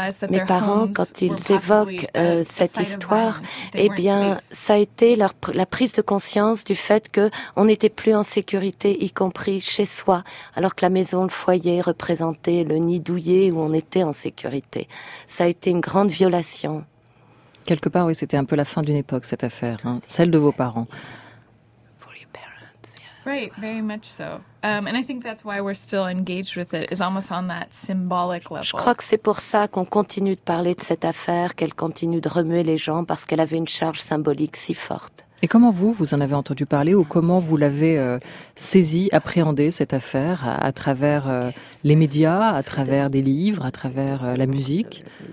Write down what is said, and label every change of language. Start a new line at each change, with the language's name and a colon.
French: Mes parents, quand ils évoquent cette histoire, eh bien, ça a été la prise de conscience du fait qu'on n'était plus en sécurité, y compris chez soi, alors que la maison, le foyer, représentait le nid douillet où on était en sécurité. Ça a été une grande violation. Quelque part, oui, c'était un peu la fin d'une époque, cette affaire, hein, celle de vos parents.
English: Right, very much so. And I think that's why we're still engaged with it. It's almost on that symbolic level.
French: Je crois que c'est pour ça qu'on continue de parler de cette affaire, qu'elle continue de remuer les gens parce qu'elle avait une charge symbolique si forte. Et comment vous en avez entendu parler, ou comment vous l'avez saisie, appréhendée, cette affaire, à travers les médias, à travers des livres, à travers la musique?